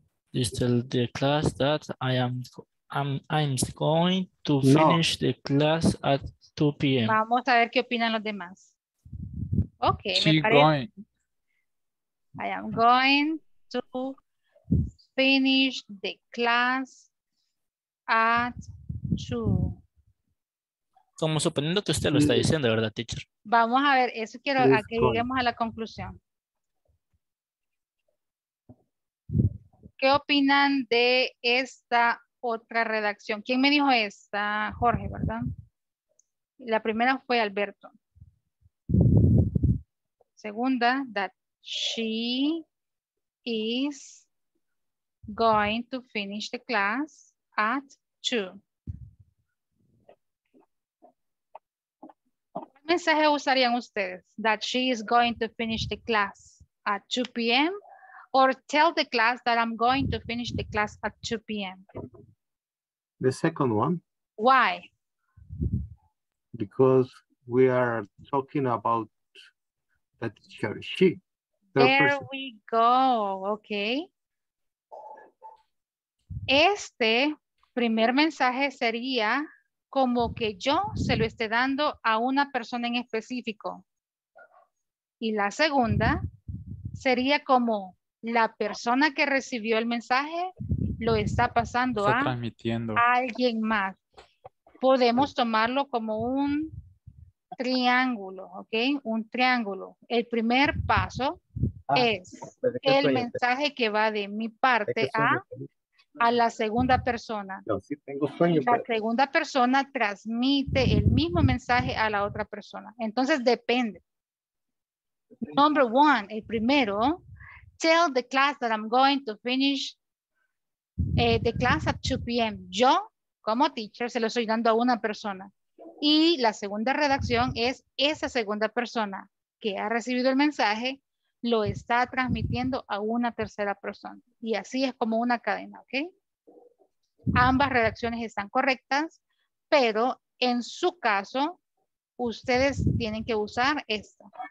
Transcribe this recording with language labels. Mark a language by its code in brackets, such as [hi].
[en] This is the class that I'm going to finish the class at 2 p.m. [es] Vamos a ver qué opinan los demás. [en] Ok, I am going to finish the class at 2. [es] Como suponiendo que usted lo está diciendo, ¿verdad, teacher? Vamos a ver, eso quiero a que lleguemos a la conclusión. ¿Qué opinan de esta otra redacción? ¿Quién me dijo esta? Jorge, ¿verdad? La primera fue Alberto. Segunda, [en] that she is going to finish the class at 2. [es] ¿Qué mensaje usarían ustedes? [en] That she is going to finish the class at 2 p.m. or tell the class that I'm going to finish the class at 2 p.m. The second one. Why? Because we are talking about that teacher, she. There we go. Okay. [es] Este primer mensaje sería como que yo se lo esté dando a una persona en específico. Y la segunda sería como la persona que recibió el mensaje lo está pasando a alguien más. Podemos tomarlo como un triángulo, ¿ok? Un triángulo. El primer paso es el mensaje que va de mi parte a la segunda persona. No, sí tengo sueño, la segunda persona transmite el mismo mensaje a la otra persona. Entonces depende. [en] Number one, [es] el primero, [en] tell the class that I'm going to finish The class at 2 p.m. [es] Yo, como teacher, se lo estoy dando a una persona. Y la segunda redacción es esa segunda persona que ha recibido el mensaje lo está transmitiendo a una tercera persona. Y así es como una cadena, ¿ok? Ambas redacciones están correctas, pero en su caso, ustedes tienen que usar esta.